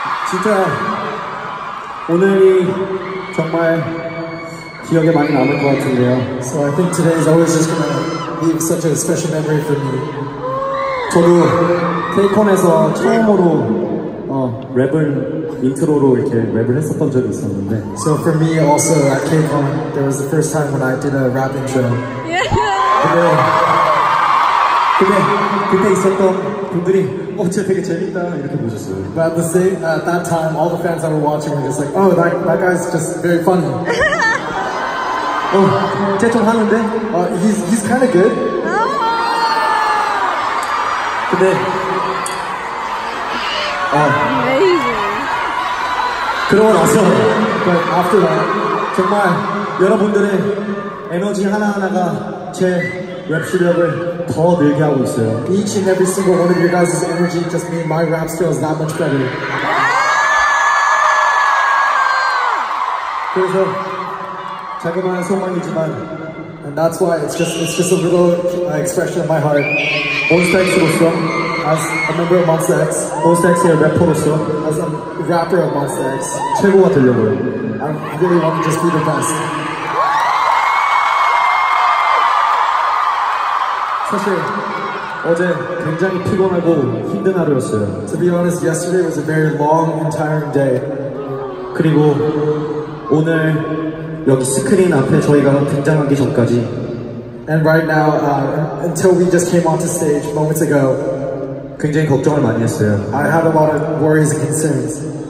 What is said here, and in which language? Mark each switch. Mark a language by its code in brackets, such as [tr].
[ko] 진짜 오늘이 정말 기억에 많이 남을 것 같은데요. [en] So I think today is always just gonna be such a special memory for me. [ko] 저도 K-Con에서 처음으로 랩을 인트로로 이렇게 랩을 했었던 적이 있었는데. [en] So for me also at K-Con, there was the first time when I did a rap intro. Yeah. [ko] 근데 그때 있었던 분들이 진짜 되게 재밌다 이렇게 보셨어요. [en] But at that time, all the fans that were watching were just like, oh, that guy's just very funny. [ko] 재촉하는데? [en] He's kind of good. [ko] 근데 [en] Amazing. [ko] 그러고 나서 [en] But after that [ko] 정말 여러분들의 에너지 하나하나가 제 랩 실력을 더 늘게 하고 있어요. [en] Each and every single one of your guys' energy just made my rap skills that much better. [ko] 그래서 자그마한 소망이지만 [en] And that's why it's just a little expression of my heart. [ko] Monsta X로서 [en] As a member of Monsta X [ko] Monsta X의 래퍼로서 [en] As a rapper of Monsta X [ko] 최고가 되려고요. [en] I really want to just be the best. [ko] 사실 어제 굉장히 피곤하고 힘든 하루였어요. [en] To be honest, yesterday was a very long and tiring day. [ko] 그리고 오늘 여기 스크린 앞에 저희가 등장하기 전까지 [en] And right now, until we just came onto stage moments ago [ko] 굉장히 걱정을 많이 했어요 [en] I had a lot of worries and concerns